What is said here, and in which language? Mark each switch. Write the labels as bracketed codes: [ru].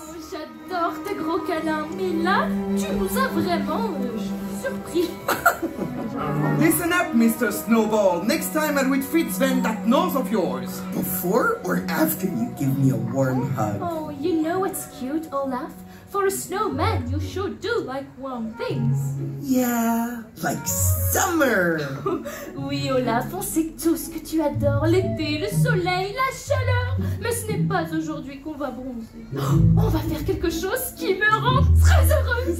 [fr] J'adore tes gros câlins, mais là, tu nous as vraiment surpris. surpris. [en] Listen up, Mr. Snowball. Next time I'll refit Sven that nose of yours. Before or after you give me a warm hug? Oh, you know what's cute, Olaf? For a snowman, you sure do like warm things. Yeah, like summer. [fr] Oui, Olaf, on sait tous que tu adores l'été, le soleil, la chaleur. Mais ce n'est pas aujourd'hui qu'on va bronzer. On va faire quelque chose qui me rend très heureuse.